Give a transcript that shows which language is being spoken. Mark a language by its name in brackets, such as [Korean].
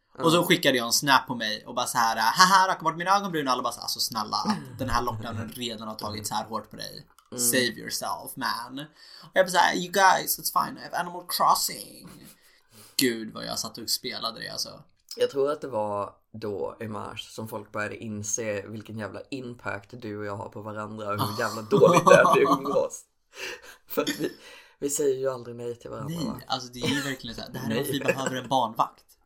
[Swedish] Och så skickade jag en snap på mig och bara så här: haha, har jag kommit mina ögonbryn? Och alla bara såhär, alltså snälla, den här lockdownen redan har tagit så här hårt på dig. [English] Save yourself, man. [Swedish] Och jag bara såhär, [English] you guys, it's fine, I have Animal Crossing. [Swedish] Gud vad jag satt och spelade det alltså. Jag tror att det var då i mars som folk började inse vilken jävla impact du och jag har på varandra. Och hur jävla dåligt det är att umgås. För att vi säger ju aldrig nej till varandra. Nej, alltså det är ju verkligen så här, det här är att vi behöver en barnvakt.